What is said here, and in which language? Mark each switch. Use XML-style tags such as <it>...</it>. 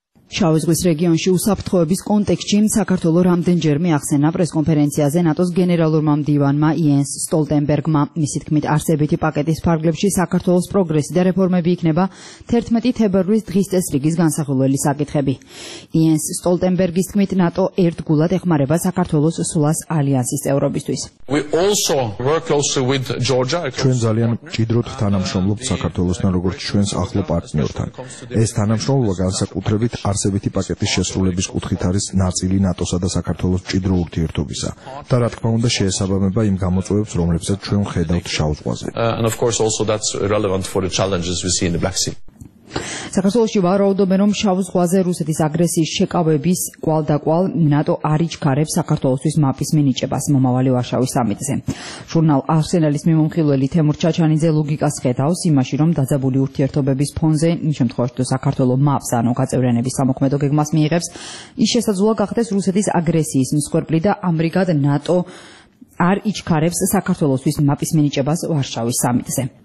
<ka>შავი ზღვის რეგიონში უსაფრთხოების კონტექსტში საქართველო რამდენჯერმე ახსენა პრესკონფერენციაზე ნატოს გენერალურმა მდივანმა იენს სტოლტენბერგმა. მისი თქმით, არსებითი პაკეტის ფარგლებში საქართველოს პროგრესი და რეფორმები იქნება 11 თებერვლის დღის წესრიგის განსახილველი საკითხები. იენს სტოლტენბერგის თქმით, ნატო ერთგულად ეხმარება საქართველოს სულას ალიანსის წევრობისთვის.</ka> <en>We also work closely with Georgia.</en> <ka>ჩვენ ძალიან მჭიდროდ თანამშრომლობთ საქართველოსთან, როგორც ჩვენს ახლო პარტნიორთან. ეს თანამშრომლობა განსაკუთრებით არსებითი პაკეტის შესრულების კუთხით არის ნაწილი ნატოსა და საქართველოს მჭიდრო ურთიერთობისა. და რა თქმა უნდა, შეესაბამება იმ გამოწვევებს, რომლებსაც ჩვენ ვხედავთ შავ ზღვაზე.</ka> <en>And of course also that's relevant for the challenges we see in the Black Sea.</en> <ka>საქართველოს ვარაუდობენ, რომ შავ ზღვაზე რუსეთის აგრესიის შეკავების კვალდაკვალ ნატო არიჩქარებს საქართველოსთვის მაპის მინიჭებას მომავალი ვარშავის სამიტზე. ჟურნალ არსენალის მიმომხილველი თემურ ჩაჩანიძე ლოგიკას ხედავს იმაში, რომ დაძაბული ურთიერთობების ფონზე, იმ შემთხვევაში თუ საქართველო მაპს ანუ გაწევრიანების სამოქმედო გეგმას მიიღებს, ის შესაძლოა გახდეს რუსეთის აგრესიის მსხვერპლი და ამრიგად ნატო არ იჩქარებს საქართველოსთვის მაპის მინიჭებას ვარშავის სამიტზე.</ka>